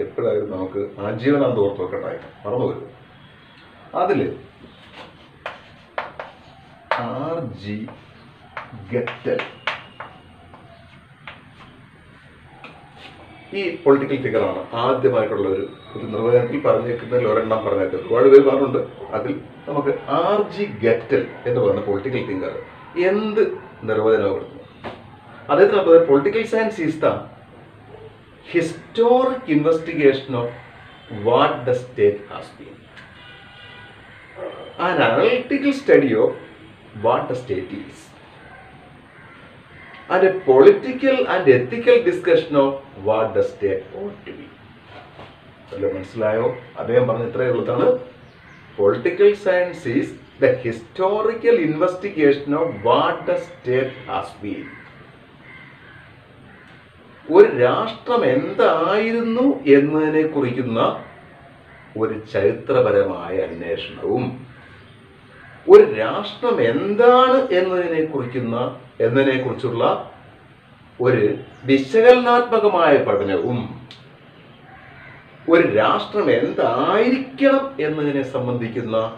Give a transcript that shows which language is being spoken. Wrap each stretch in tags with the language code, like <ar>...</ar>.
<ml>എപ്പോഴായിരുന്നു നമുക്ക് ആജീവനാന്ത ഓർത്ത് നോക്കട്ടായ, മറന്നുപോരുത്. അതിൽ ആർ ജി ഗെറ്റൽ ഈ പൊളിറ്റിക്കൽ ഫിഗറാണ് ആദ്യമായിട്ടുള്ള ഒരു നിർവചനത്തിൽ പറഞ്ഞേക്കുന്നതിൽ ഒരെണ്ണം പറഞ്ഞേക്കുന്നത്, ഒരുപാട് പേര് പറഞ്ഞിട്ടുണ്ട്. അതിൽ നമുക്ക് ആർ ജി ഗെറ്റൽ എന്ന് പറയുന്ന പൊളിറ്റിക്കൽ ഫിഗർ എന്ത് നിർവചനവും കൊടുക്കുന്നു. അദ്ദേഹത്തിന് പറഞ്ഞത്</ml> <en>Political science is the historic investigation of what the state has been. An analytical study of what the state is. And a political and ethical discussion of what the state ought to be.</en> <ml>അല്ല മനസ്സിലായോ? അദ്ദേഹം പറഞ്ഞ ഇത്രയേ ഉള്ളതാണ്.</ml> <en>Political science is the historical investigation of what the state has been.</en> <ml>ഒരു രാഷ്ട്രം എന്തായിരുന്നു എന്നതിനെ കുറിക്കുന്ന ഒരു ചരിത്രപരമായ അന്വേഷണവും, ഒരു രാഷ്ട്രം എന്താണ് എന്നതിനെ കുറിച്ചുള്ള ഒരു വിശകലനാത്മകമായ പഠനവും, ഒരു രാഷ്ട്രം എന്തായിരിക്കണം എന്നതിനെ സംബന്ധിക്കുന്ന</ml>